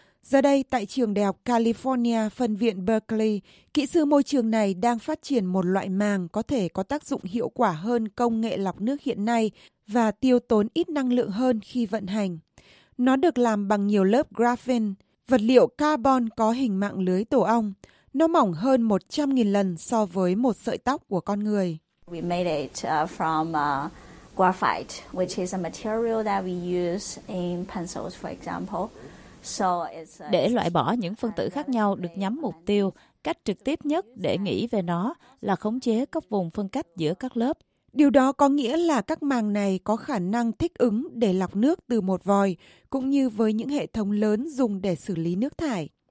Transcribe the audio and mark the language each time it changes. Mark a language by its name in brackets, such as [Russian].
[Vietnamese] Giờ đây, tại trường Đại học California, phân viện Berkeley, kỹ sư môi trường này đang phát triển một loại màng có thể có tác dụng hiệu quả hơn công nghệ lọc nước hiện nay và tiêu tốn ít năng lượng hơn khi vận hành. Nó được làm bằng nhiều lớp graphene, vật liệu carbon có hình mạng lưới tổ ong. Nó mỏng hơn 100.000 lần so với một sợi tóc của con người. [English] We made it from graphite, which is a material that we use in pencils, for example. [Vietnamese] Để loại bỏ những phân tử khác nhau được nhắm mục tiêu, cách trực tiếp nhất để nghĩ về nó là khống chế các vùng phân cách giữa các lớp. Điều đó có nghĩa là các màng này có khả năng thích ứng để lọc nước từ một vòi, cũng như với những hệ thống lớn dùng để xử lý nước thải.